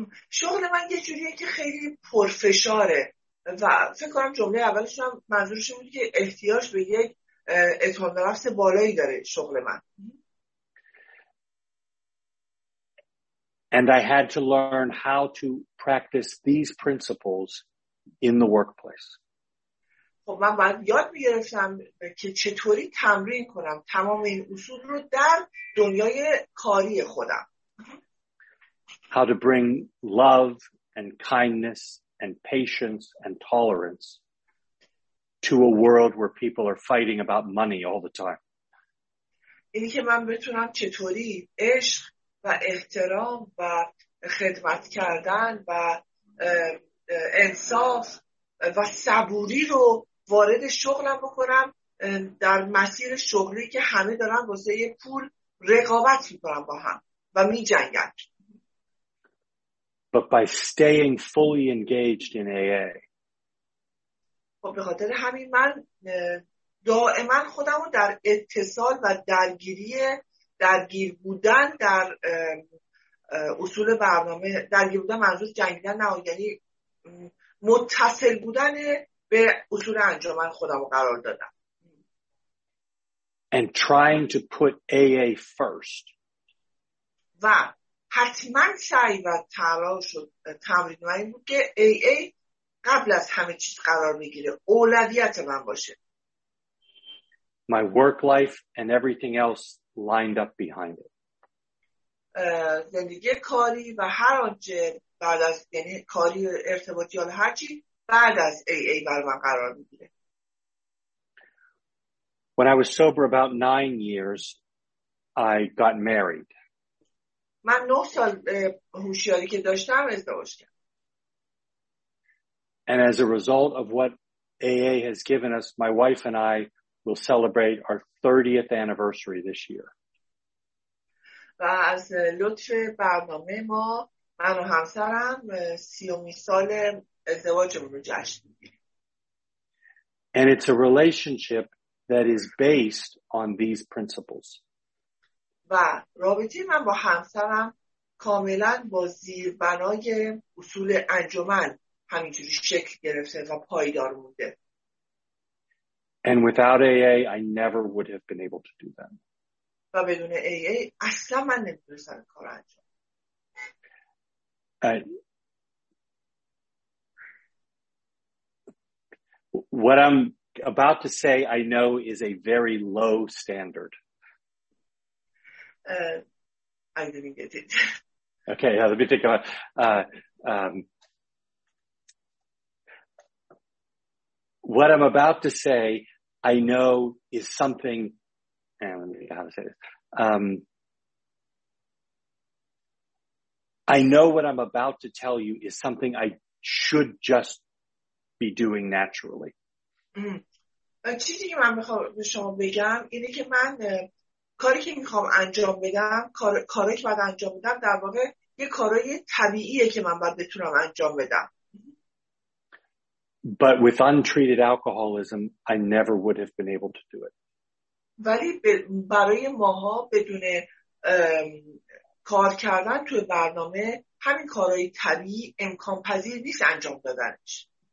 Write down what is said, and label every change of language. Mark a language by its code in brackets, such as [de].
[fa] شغل من یه جوریه که خیلی پرفشاره و فکر کنم جمله اولش هم منظورش بود که احتیاج به یک اعتماد نفس بالایی داره شغل من. [en] And I had to learn how to practice these principles in the workplace. [fa] خب من باید یاد می‌گرفتم که چطوری تمرین کنم تمام این اصول رو در دنیای کاری خودم. [en] How to bring love and kindness and patience and tolerance to a world where people are fighting about money all the time. [fa] اینی که من بتونم چطوری عشق و احترام و خدمت کردن و انصاف و صبوری رو وارد شغلم بکنم در مسیر شغلی که همه دارن واسه یه پول رقابت می‌کنن با هم و می‌جنگن. [en] But by staying fully engaged in AA, [fa] و به خاطر همین من دائما خودم رو در اتصال و درگیر بودن در اصول برنامه، درگیر بودن منظور جنگیدن نه، یعنی متصل بودن به اصول انجمن خودم رو قرار دادم. [en] And trying to put AA first. [fa] و حتما سعی و تلاش و تمرین و این بود که AA قبل از همه چیز قرار میگیره، اولویت من باشه. [en] My work life and everything else lined up behind it. [fa] زندگی کاری و هر آنچه بعد از، یعنی کاری و ارتباطی و هر چی بعد از AA بر من قرار میگیره. [en] When I was sober about 9 years, I got married. [fa] من 9 سال هوشیاری که داشتم ازدواج کردم. [en] And as a result of what AA has given us, my wife and I will celebrate our 30th anniversary this year. [fa] و از لطف برنامه ما، من و همسرم 30th سال ازدواجمون رو جشن می‌گیریم. [en] And it's a relationship that is based on these principles. [fa] و رابطه من با همسرم کاملاً با زیربنای اصول انجمن همینجوری شکل گرفته و پایدار مونده. [en] And without AA, I never would have been able to do that. [fa] و بدون AA اصلا من نمیتونستم کار انجام. [en] What I'm about to say, I know, is a very low standard. I didn't get it. Okay, yeah, let me think about it. What I'm about to say, I know, is something, and let me think how to say this. I know what I'm about to tell you is something I should just be doing naturally. [fa] چیزی که من میخوام به شما بگم اینه که من کاری که میخوام انجام بدم کاری که باید انجام بدم در واقع یه کاری طبیعیه که من باید بتونم انجام بدم. [en] But with untreated alcoholism, I never would have been able to do it. [fa] ولی برای ماها بدون کار کردن توی برنامه همین کارهای طبیعی امکان پذیر نیست انجام دادنش.